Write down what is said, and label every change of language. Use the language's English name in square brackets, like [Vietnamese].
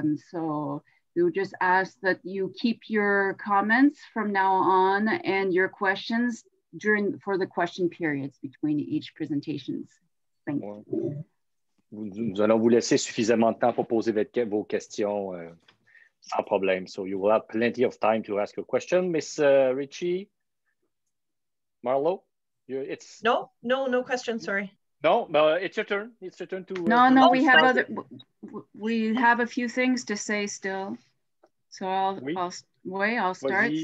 [English] So we would just ask that you keep your comments from now on and your questions for the question periods between each presentations. Thank you. [French] Nous allons vous laisser suffisamment de temps pour poser vos questions sans problème. [English] So you will have plenty of time to ask your question, Miss Richie. Marlo, no question. Sorry. No, but it's your turn. It's your turn to. No, we have other. We have a few things to say still, so I'll start. [French] Vas-y.